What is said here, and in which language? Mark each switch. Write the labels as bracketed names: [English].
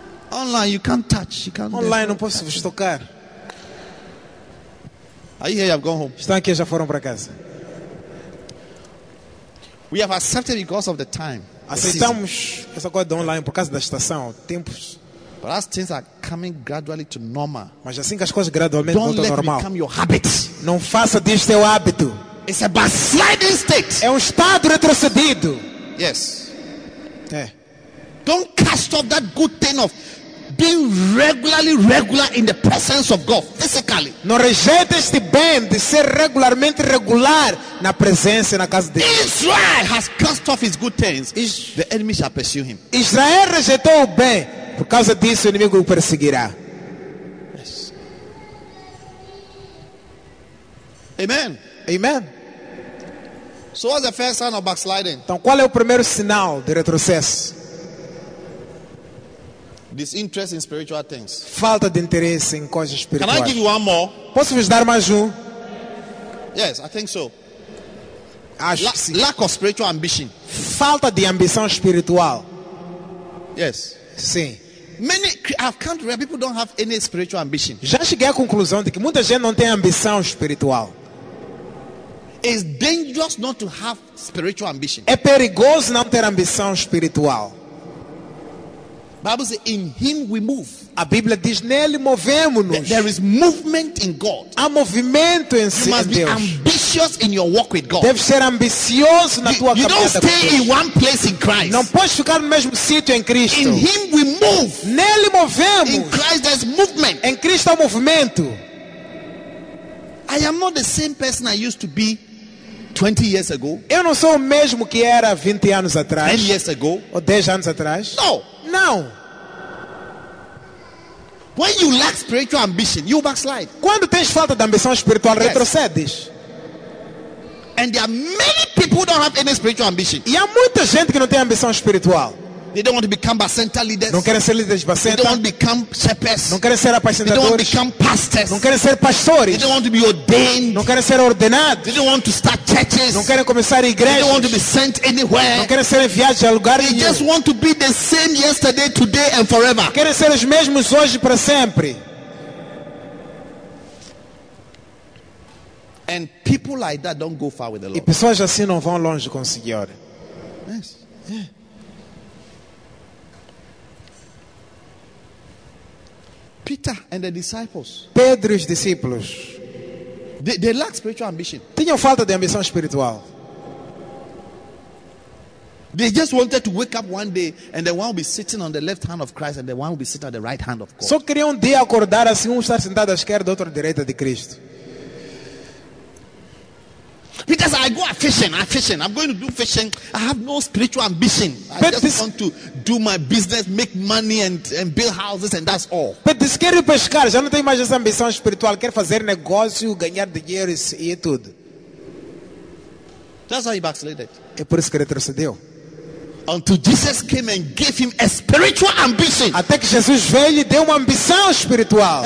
[English] Online, you can't touch. You can't. [Portuguese] Online, não posso vos tocar. [English] Are you here? I've gone home. [Portuguese] Estão aqui, já foram para casa. [English] We have accepted because of the time. [Portuguese] Aceitamos essa coisa de online por causa da estação, tempos. [English] But as things are coming gradually to normal. [Portuguese] Mas assim que as coisas gradualmente voltam ao normal. [English] Don't let it become your habit. [Portuguese] Não faça disso teu hábito. [English] It's a backsliding state. [Portuguese] É estado retrocedido. [English] Yes. [Portuguese] É. [English] Don't cast off that good thing of being regular in the presence of God physically. [Portuguese] Não rejeite este bem de ser regularmente regular na presença na casa de Deus. [English] Israel has cast off his good things. The enemy shall pursue him. [Portuguese] Israel rejeitou o bem. Por causa disso, o inimigo o perseguirá. [English] Yes. Amen. Amen. So what's the first sign of backsliding? [Portuguese] Então, qual é o primeiro sinal de retrocesso? [English] Disinterest in spiritual things. [Portuguese] Falta de interesse em coisas espirituais. [English] Can I give you one more? [Portuguese] Posso vos dar mais um? [English] Yes, I think so. [Portuguese] Acho sim. [English] Lack of spiritual ambition. [Portuguese] Falta de ambição espiritual. [English] Yes. [Portuguese] Sim. [English] Many I've come to realize people don't have any spiritual ambition. [Portuguese] Já cheguei à conclusão de que muita gente não tem ambição espiritual. [English] It's dangerous not to have spiritual ambition. [Portuguese] É perigoso não ter ambição espiritual. [English] Bible says, in him we move. [Portuguese] A Bíblia diz, nele movemos-nos. [English] There is movement in God. [Portuguese] Há movimento em [English] Deus. You must be [Portuguese] Deus. [English] Ambitious in your walk with God. [Portuguese] Deve ser ambicioso na tua caminhada. [English] You don't stay in one place in Christ. [Portuguese] Não podes ficar no mesmo sítio em Cristo. [English] In him we move. [Portuguese] Nele movemos. [English] In Christ there's movement. [Portuguese] Em Cristo há movimento. [English] I am not the same person I used to be 20 years ago. [Portuguese] Eu não sou o mesmo que era 20 anos atrás. [English] 10 years ago. [Portuguese] Ou 10 anos atrás. [English] No. [Portuguese] Não. [English] When you lack spiritual ambition, you backslide. [Portuguese] Quando tens falta de ambição espiritual, retrocedes. [English] And there are many people who don't have any spiritual ambition. [Portuguese] E há muita gente que não tem ambição espiritual. [English] They don't want to become center leaders. [Portuguese] Não querem ser líderes de bacenta. [English] They don't want to become shepherds. [Portuguese] Não querem ser apacentadores. [English] They don't want to become pastors. [Portuguese] Não querem ser pastores. [English] They don't want to be ordained. [Portuguese] Não querem ser ordenados. [English] They don't want to start churches. [Portuguese] Não querem começar igrejas. [English] They don't want to be sent anywhere. [Portuguese] Não querem ser enviados a lugar [English] They [Portuguese] nenhum. [English] Just want to be the same yesterday, today and forever. [Portuguese] Querem ser os mesmos hoje para sempre. [English] And people like that don't go far with the Lord. [Portuguese] E pessoas assim não vão longe com o Senhor. [English] Yes. Yeah. Peter and the disciples. [Portuguese] Pedro e os discípulos. [English] They lack spiritual ambition. [Portuguese] Tinham falta de ambição espiritual. [English] They just wanted to wake up one day and the one will be sitting on the left hand of Christ and the one will be sitting at the right hand of God. [Portuguese] Só queriam um dia acordar assim um estar sentado à esquerda, outro à direita de Cristo. [English] Peter says, I go fishing. I'm going to do fishing. I have no spiritual ambition. I just want to do my business, make money and build houses and that's all. [Portuguese] Pedro, quer ir pescar. Já não tem mais essa ambição espiritual. Quer fazer negócio, ganhar dinheiro e tudo. [English] That's why he backslided. [Portuguese] É por isso que ele retrocedeu. [English] Until Jesus came and gave him a spiritual ambition. [Portuguese] Até que Jesus veio e deu uma ambição espiritual.